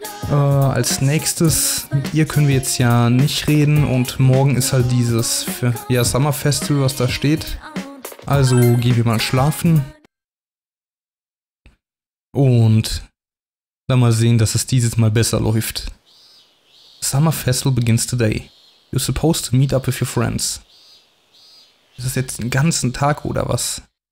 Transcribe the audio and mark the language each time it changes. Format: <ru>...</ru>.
<de>Als nächstes, mit ihr können wir jetzt ja nicht reden und morgen ist halt dieses Summer Festival, was da steht. Also gehen wir mal schlafen. Und dann mal sehen, dass es dieses Mal besser läuft.</de> <en>Summer Festival begins today. You're supposed to meet up with your friends.</en> <de>Ist das jetzt den ganzen Tag oder was?</de>